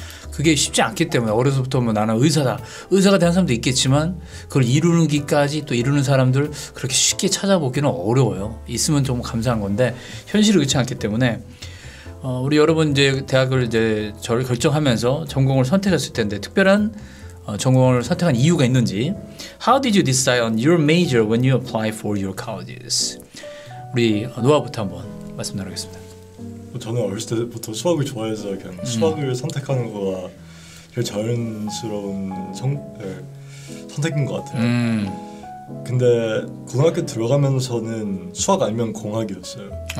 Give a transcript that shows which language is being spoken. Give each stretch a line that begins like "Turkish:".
Korean: 그게 쉽지 않기 때문에 어려서부터 뭐 나는 의사다. 의사가 되는 사람도 있겠지만 그걸 이루기까지 또 이루는 사람들 그렇게 쉽게 찾아보기는 어려워요. 있으면 좀 감사한 건데 현실이 그렇지 않기 때문에 우리 여러분 이제 대학을 이제 저를 결정하면서 전공을 선택했을 텐데 특별한 전공을 선택한 이유가 있는지.
English: How did you decide on your major when you apply for your colleges?
Korean: 우리 노아부터 한번 말씀 나누겠습니다. 저는 어렸을 때부터 수학을 좋아해서 그냥 수학을 선택하는 거가 제일 자연스러운 선택인 것 같아요. 근데 고등학교 들어가면서는 수학 아니면 공학이었어요.